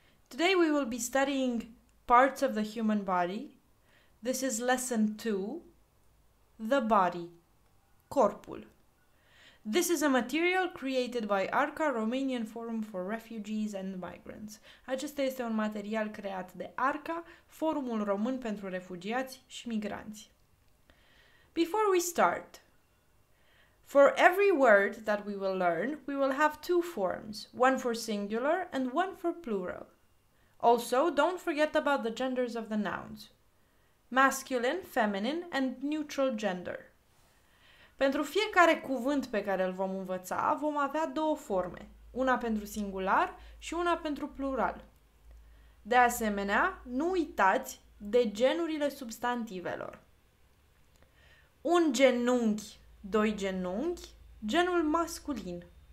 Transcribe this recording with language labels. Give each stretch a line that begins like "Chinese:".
English: Today we will be studying parts of the human body. This is lesson 2, the body, corpul. This is a material created by ARCA, Romanian Forum for Refugees and Migrants.
Romanian: Acesta este un material creat de ARCA, Forumul Român pentru Refugiați și Migranți.
English: Before we start, for every word that we will learn, we will have 2 forms, one for singular and one for plural. Also, don't forget about the genders of the nouns, masculine, feminine and neutral gender.
Romanian: Pentru fiecare cuvânt pe care îl vom învăța, vom avea 2 forme, una pentru singular și una pentru plural. De asemenea, nu uitați de genurile substantivelor. Un genunchi, 2 genunchi, genul masculin.